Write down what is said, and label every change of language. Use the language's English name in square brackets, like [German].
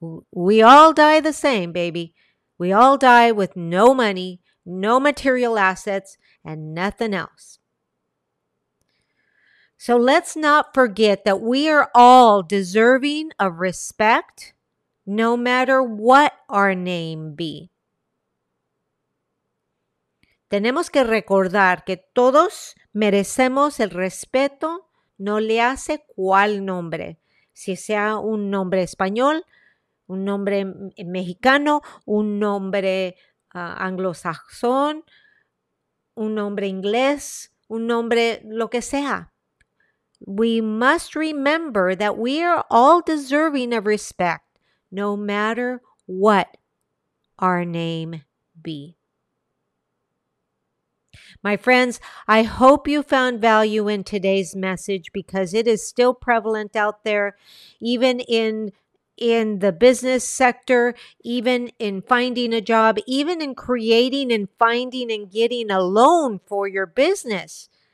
[English] We all die the same, baby. We all die with no money, no material assets, and nothing else. So let's not forget that we are all deserving of respect, no matter what our name be. [Spanish] Tenemos que recordar que todos merecemos el respeto, no le hace cuál nombre, si sea un nombre español, un nombre mexicano, un nombre anglosajón, un nombre inglés, un nombre lo que sea. [English] We must remember that we are all deserving of respect, no matter what our name be. My friends, I hope you found value in today's message because it is still prevalent out there, even in the business sector, even in finding a job, even in creating and finding and getting a loan for your business.